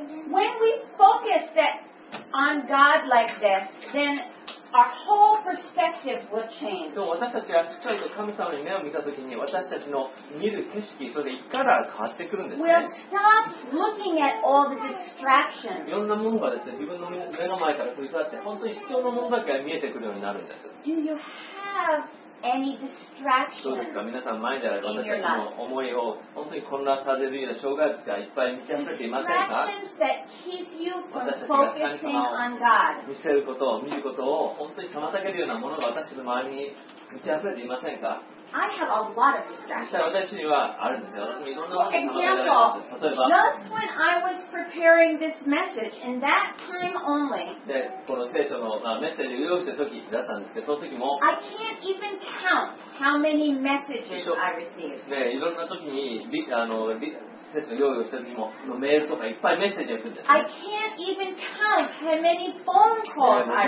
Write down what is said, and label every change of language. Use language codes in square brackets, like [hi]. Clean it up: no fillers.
[en] When we focus that on God like this, then. Our whole perspective will change. [ja] でも私たちがしっかりと神様に目を見たときに私たちの見る景色それから変わってくるんですね。 [en] We'll stop looking at all the distractions. [ja] いろんなものがですね、自分の目の前から飛び去って本当に必要なものだけが見えてくるようになるんです。 [en] Do you have any distractions? [ja] どうですか、皆さん前では私たちの思いを本当に混乱させるような障害物がいっぱい満ち溢れていませんか？ [en] Focusing on God. [ja] 見せることを見ることを本当に妨げるようなものが私の周りに満ち溢れていませんか [en] I have a lot of distractions. [ja] 私にはあるんですよ。私もいろんなものが妨げられます。例えば、 [en] Just when I was preparing this message, in that time only, [ja] でこの聖書の、まあ、メッセージを用意した時だったんですけど、その時も、 [en] I can't even count how many messages I received. [ja] いろんな時に、用意をした時ものメールとかいっぱいメッセージが来るんです、ね、 [en] I can't even count how many phone calls I